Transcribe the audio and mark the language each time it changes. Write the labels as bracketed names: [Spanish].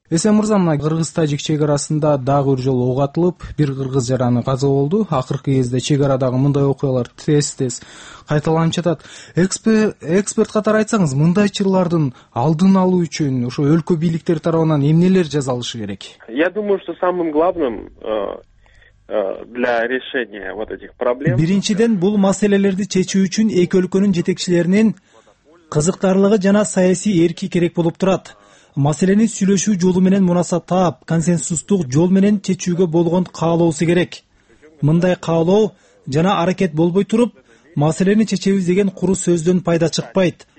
[Kyrgyz] Эсен мырза, мына кыргыз тажик чек арасында дагы бир жолу ок атылып бир кыргыз жараны каза болду. Акыркы кезде чек арадагы мындай окуялар тез-тез кайталанып жатат. Эксперт катары айтсаңыз, мындай чырлардын алдын алуу үчүн ошо өлкө бийликтери тарабынан эмнелер жасалышы керек? [Russian] Я думаю, что самым главным для решения вот этих проблем. [Kyrgyz] Биринчиден бул маселелерди чечүү үчүн эки өлкөнүн жетекчилеринин кызыктарлыгы жана саясий эрки керек болуп турат. Маселени сүйлөшүү жолу менен мунасап таап, консенсустук жол менен чечүүгө болгон каалоосу керек. Мындай каалоо жана аракет болбой туруп, маселени чечебиз деген куру сөздөн пайда чыкпайт.